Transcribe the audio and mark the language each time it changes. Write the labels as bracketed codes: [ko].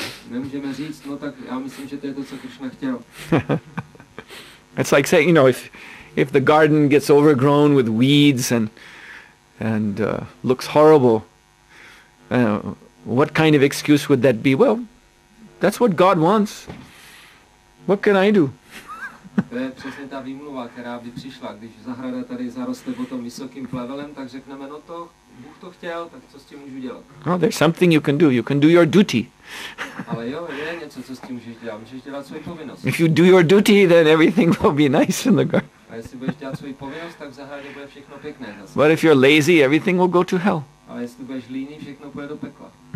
[en] It's like saying, you know, if the garden gets overgrown with weeds and looks horrible, what kind of excuse would that be? Well, that's what God wants. What can I do? [cs] To je přesně ta výmluva, která by přišla, když zahrada tady zaroste potom vysokým plevelem, tak řekneme, no to, Bůh to chtěl, tak co s tím můžu dělat? [en] Well, there's something you can do. You can do your duty. [cs] Ale jo, je něco, co s tím můžeš dělat. Můžeš dělat svoji povinnost. [en] If you do your duty, then everything will be nice in the garden. [cs] A jestli budeš dělat svoji povinnost, tak v zahradě bude všechno pěkné. [en] But if you're lazy, everything will go to hell. [cs] Ale jestli budeš líný, všechno půjde do pekla.